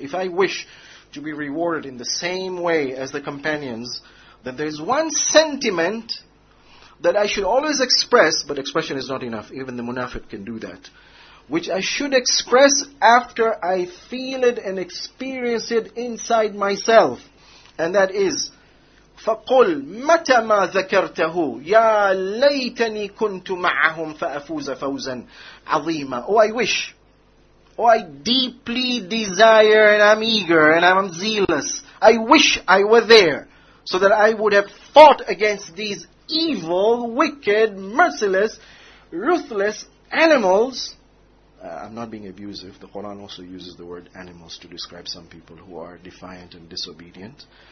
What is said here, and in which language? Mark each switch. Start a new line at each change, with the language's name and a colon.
English: If I wish to be rewarded in the same way as the companions, then there is one sentiment that I should always express, but expression is not enough, even the munafiq can do that, which I should express after I feel it and experience it inside myself. And that is,
Arabic: فَقُلْ مَتَ مَا ذَكَرْتَهُ يَا لَيْتَنِي كُنْتُ مَعَهُمْ فَأَفُوزَ فَوْزًا عَظِيمًا
English: Oh, I wish Oh, I deeply desire and I'm eager and I'm zealous. I wish I were there so that I would have fought against these evil, wicked, merciless, ruthless animals. I'm not being abusive. The Quran also uses the word animals to describe some people who are defiant and disobedient.